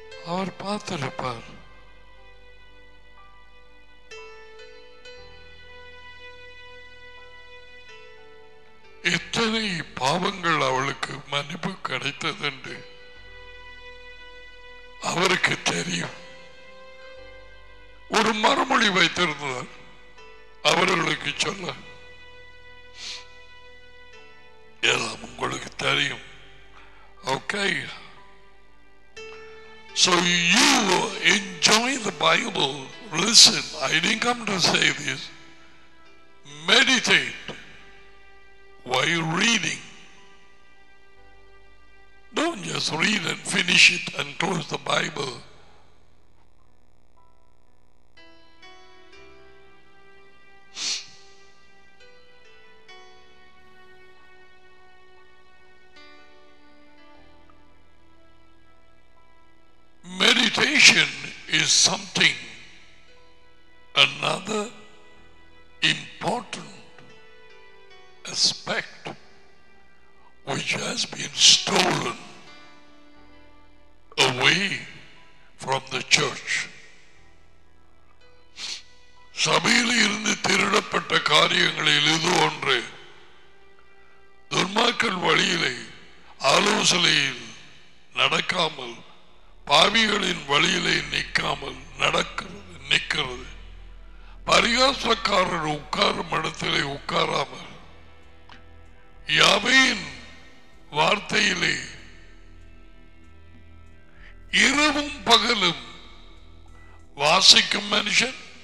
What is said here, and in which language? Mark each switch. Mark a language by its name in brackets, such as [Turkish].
[Tamil] அவர் பார்த்திருப்பார், எத்தனை பாவங்கள் அவளுக்கு மன்னிப்பு கிடைத்தது என்று அவருக்கு தெரியும். ஒரு மறுமொழி வைத்திருந்தார் அவர்களுக்கு சொல்ல, எல்லாம் உங்களுக்கு தெரியும். [English] Okay, so you enjoy the Bible, listen, I didn't come to say this, meditate while reading, don't just read and finish it and close the Bible. Meditation is something, another important aspect which has been stolen away from the church. [Tamil] சபையில் இருந்து திருடப்பட்ட காரியங்களில் இது ஒன்று. துன்மார்க்கன் வழியிலே ஆலோசனையில் நடக்காமல் பாவிகளின் வழியிலே நிற்காமல் நடக்கிறது நிற்கிறது, பரிகாசக்காரர் உட்காரும் இடத்திலே உட்காராமல் யாவையின் வார்த்தையிலே இரவும் பகலும் வாசிக்கும் மனுஷன்,